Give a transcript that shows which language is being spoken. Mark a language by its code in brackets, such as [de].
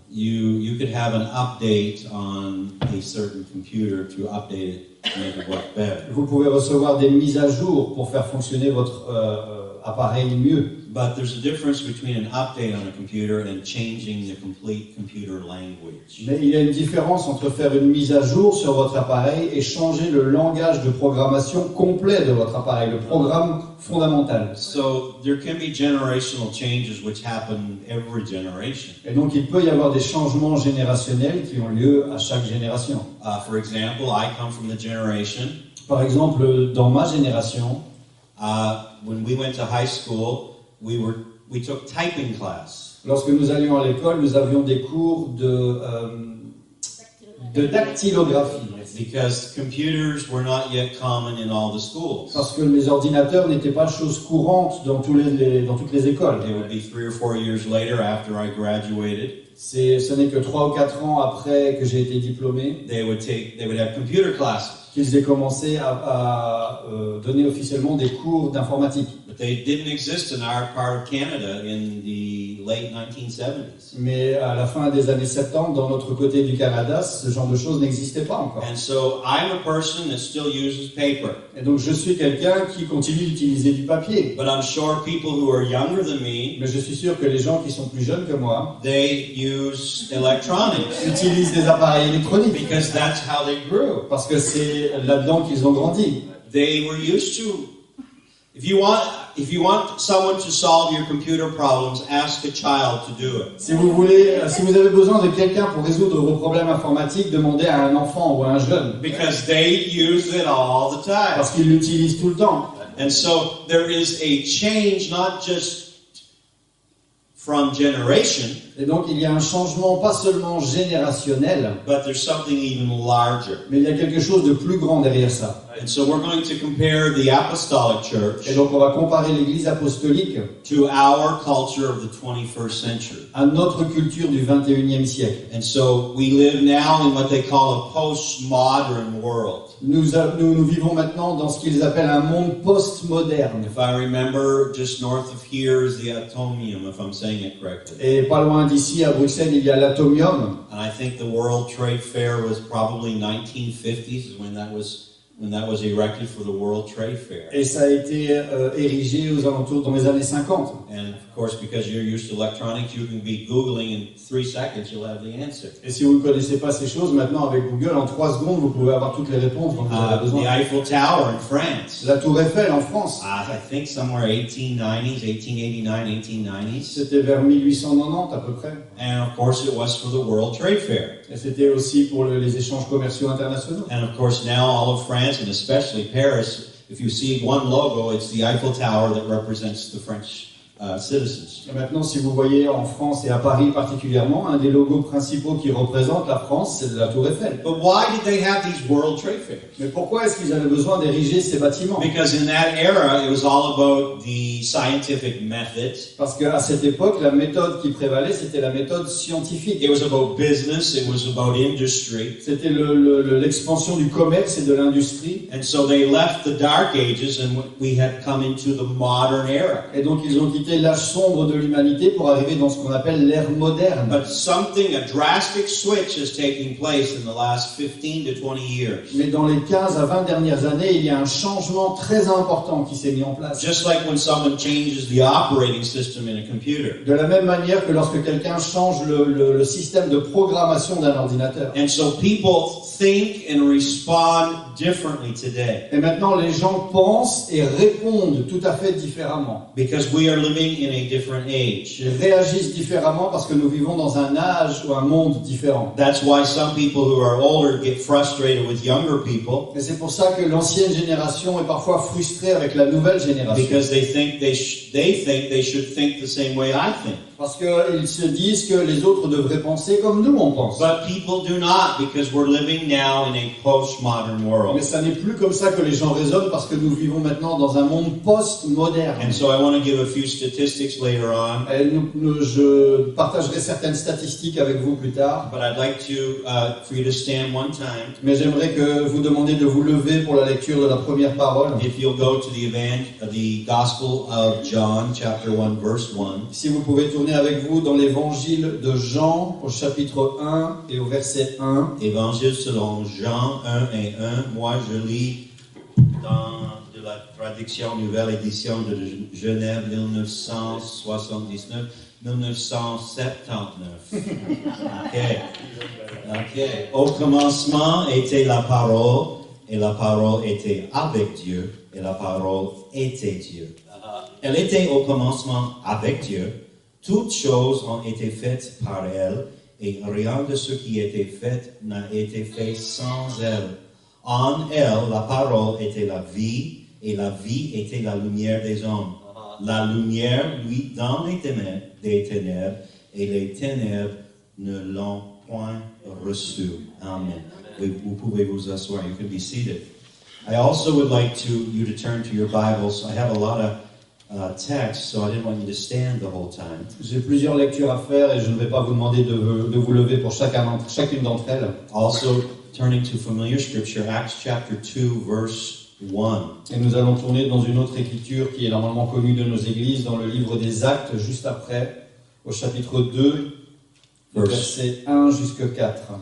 [en] You could have an update on a certain computer to update it to make it work better. [fr] Vous pouvez recevoir des mises à jour pour faire fonctionner votre appareil mieux. [en] But there's a difference between an update on a computer and changing the complete computer language. [fr] Mais il y a une différence entre faire une mise à jour sur votre appareil et changer le langage de programmation complet de votre appareil, le programme fondamental. [en] So there can be generational changes which happen every generation. [fr] Et donc il peut y avoir des changements générationnels qui ont lieu à chaque génération. [en] For example, I come from the generation. [fr] Par exemple, dans ma génération, [en] when we went to high school, we took typing class. [fr] Lorsque nous allions à l'école, nous avions des cours de dactylographie. [en] Because computers were not yet common in all the schools. [fr] Parce que les ordinateurs n'étaient pas chose courante dans toutes les écoles. [en] It would be 3 or 4 years later after I graduated. [fr] Ce n'est que 3 ou 4 ans après que j'ai été diplômé. [en] They would have computer classes. [fr] Qu'ils aient commencé à donner officiellement des cours d'informatique. [en] But they didn't exist in our part of Canada in the late 1970s. [fr] Mais à la fin des années 70, dans notre côté du Canada, ce genre de choses n'existait pas encore. [en] And so I'm a person that still uses paper. [fr] Et donc je suis quelqu'un qui continue d'utiliser du papier. [en] But I'm sure people who are younger than me, [fr] mais je suis sûr que les gens qui sont plus jeunes que moi, [en] they use electronics. [fr] Utilisent des appareils électroniques. [en] Because that's how they grew. [fr] Parce que c'est là-dedans qu'ils ont grandi. [en] They were used to. If you want someone to solve your computer problems, ask a child to do it. [fr] Si vous avez besoin de quelqu'un pour résoudre vos problèmes informatiques, demandez à un enfant ou à un jeune. [en] Because they use it all the time. [fr] Parce qu'ils l'utilisent tout le temps. [en] And so there is a change, not just from generation. [fr] Et donc il y a un changement pas seulement générationnel, [en] but there's something even larger. [fr] Mais il y a quelque chose de plus grand derrière ça. [en] And so we're going to compare the apostolic church. [fr] Et donc on va comparer l'église apostolique [en] to our culture of the 21st century. [fr] À notre culture du 21e siècle. [en] And so we live now in what they call a postmodern world. [fr] Nous vivons maintenant dans ce qu'ils appellent un monde postmoderne. [en] If I remember, just north of here is the Atomium, if I'm saying it correctly. [fr] Et pas loin d'ici à Bruxelles, il y a l'Atomium. [en] And I think the World Trade Fair was probably 1950s when that was erected for the World Trade Fair. [fr] Et ça a été érigé aux alentours dans les années 50. [en] And of course, because you're used to electronics, you can be Googling in 3 seconds, you'll have the answer. [fr] Et si vous ne connaissez pas ces choses, maintenant avec Google, en 3 secondes, vous pouvez avoir toutes les réponses dont vous avez besoin. [en] The Eiffel Tower in France. [fr] La Tour Eiffel en France. [en] I think somewhere 1890s, 1889, 1890s. [fr] C'était vers 1890 à peu près. [en] And of course, it was for the World Trade Fair. [fr] Et c'était aussi pour les échanges commerciaux internationaux. [en] And of course, now all of France, and especially Paris, if you see one logo, it's the Eiffel Tower that represents the French citizens. [fr] Et maintenant, si vous voyez en France et à Paris particulièrement, un des logos principaux qui représente la France, c'est la Tour Eiffel. [en] But why did they have these World Trade Fairs? [fr] Mais pourquoi est-ce qu'ils avaient besoin d'ériger ces bâtiments? [en] Because in that era, it was all about the scientific method. [fr] Parce qu'à cette époque, la méthode qui prévalait, c'était la méthode scientifique. [en] It was about business, it was about industry. [fr] C'était l'expansion du commerce et de l'industrie. [en] And so they left the dark ages and we had come into the modern era. [fr] Et donc ils ont quitté l'âge sombre de l'humanité pour arriver dans ce qu'on appelle l'ère moderne. [en] But something, a drastic switch is taking place in the last 15 to 20 years. [fr] Mais dans les 15 à 20 dernières années, il y a un changement très important qui s'est mis en place. [en] Just like when someone changes the operating system in a computer. [fr] De la même manière que lorsque quelqu'un change le système de programmation d'un ordinateur. [en] And so people think and respond differently today. [fr] Et maintenant, les gens pensent et répondent tout à fait différemment. [en] Because we are living in a different age. [fr] Ils réagissent différemment parce que nous vivons dans un âge ou un monde différent. [en] That's why some people who are older get frustrated with younger people. [fr] Et c'est pour ça que l'ancienne génération est parfois frustrée avec la nouvelle génération. [en] Because they think they should think the same way I think. [fr] Parce qu'ils se disent que les autres devraient penser comme nous, on pense. [en] But people do not, because we're living now in a post-modern world. [fr] Mais ça n'est plus comme ça que les gens raisonnent, parce que nous vivons maintenant dans un monde post-moderne. [en] And so I want to give a few statistics later on. [fr] Et je partagerai certaines statistiques avec vous plus tard. [en] But I'd like to, for you to stand one time. [fr] Mais j'aimerais que vous demandiez de vous lever pour la lecture de la première parole. [en] If you'll go to the Gospel of John, chapter 1, verse 1. [fr] Si vous pouvez tourner avec vous dans l'évangile de Jean au chapitre 1 et au verset 1. Évangile selon Jean 1 et 1. Moi, je lis dans de la traduction nouvelle édition de Genève 1979. OK. Au commencement était la parole, et la parole était avec Dieu, et la parole était Dieu. Elle était au commencement avec Dieu. Toutes choses ont été faites par elle, et rien de ce qui était fait n'a été fait sans elle. En elle, la parole était la vie, et la vie était la lumière des hommes. La lumière luit dans les ténèbres, et les ténèbres ne l'ont point reçue. Amen. Vous pouvez vous asseoir. [en] You can be seated. I also would like you to turn to your Bibles. I have a lot of text, so I didn't want you to stand the whole time. [fr] J'ai plusieurs lectures à faire et je ne vais pas vous demander de vous lever pour chacune d'entre elles. [en] Also, turning to familiar scripture, Acts chapter 2, verse 1. [fr] Et nous allons tourner dans une autre écriture qui est normalement connue de nos églises, dans le livre des Actes, juste après, au chapitre 2, verset 1 jusqu'à 4.